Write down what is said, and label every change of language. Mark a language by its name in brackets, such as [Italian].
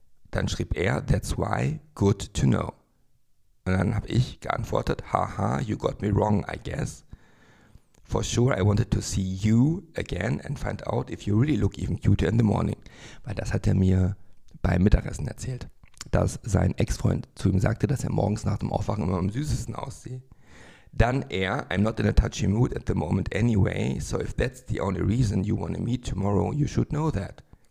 [German] Dann schrieb er, [English] that's why, good to know. [German] Und dann habe ich geantwortet, [English] haha, you got me wrong, I guess. For sure, I wanted to see you again and find out if you really look even cuter in the morning. [German] Weil das hat er mir beim Mittagessen erzählt, dass sein Ex-Freund zu ihm sagte, dass er morgens nach dem Aufwachen immer am süßesten aussieht. Dann er, [English] I'm not in a touchy mood at the moment anyway, so if that's the only reason you want to meet tomorrow, you should know that.